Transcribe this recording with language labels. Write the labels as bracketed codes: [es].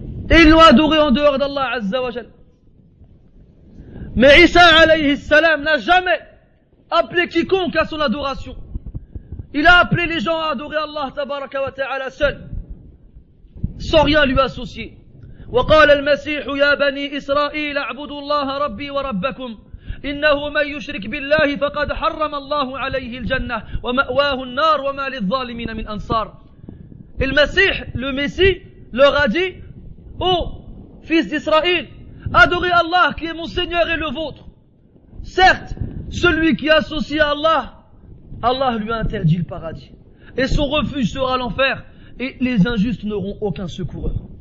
[fr] Et ils l'ont adoré en dehors d'Allah azza wa jal. Mais Isa alayhi salam n'a jamais appelé quiconque à son adoration. Il a appelé les gens à adorer Allah tabaraka wa ta'ala seul, sans rien lui associer. [ar] Wa qala al-masih ya bani Israël, a'budu Allah rabbi wa rabbakum. إنه من يشرك بالله فقد حرم الله عليه الجنة ومأواه النار وما للظالمين من أنصار. [fr] المسيح le messie leur a dit oh fils d'Israël, adorez Allah qui est mon Seigneur et le vôtre. Certes, celui qui associe à Allah, Allah lui interdit le paradis et son refuge sera l'enfer et les injustes n'auront aucun secoureur.